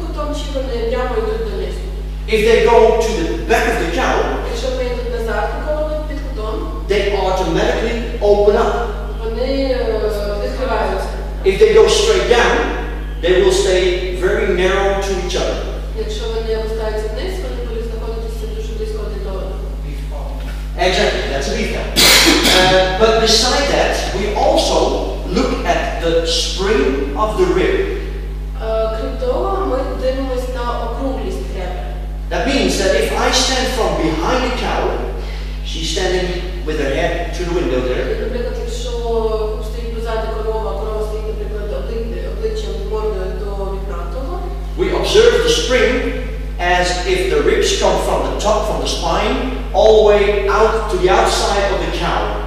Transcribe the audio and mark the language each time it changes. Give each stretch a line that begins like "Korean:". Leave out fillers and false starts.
English: If they go to the back of the cow,
Ukrainian: якщо вони йдуть на заднє коло під кутом,
English: they automatically open up.
Ukrainian: Вони відкриваються.
English: If they go straight down, they will stay very narrow to each other.
Ukrainian: Якщо вони залишаються вниз, вони будуть знаходитися дуже близько один до одного.
English: Exactly, that's a beef cow. But beside that, we also look at the spring of the rib.
Ukrainian: Крім того, ми дивимося на округлість ребер.
English: That means that if I stand from behind the cow, she's standing with her head to the window there.
Ukrainian: Наприклад, якщо стоїть позаду корова, корова стоїть, наприклад, обличчям, мордою до вікна того.
English: We observe the spring as if the ribs come from the top, from the spine, all the way out to the outside of the cow.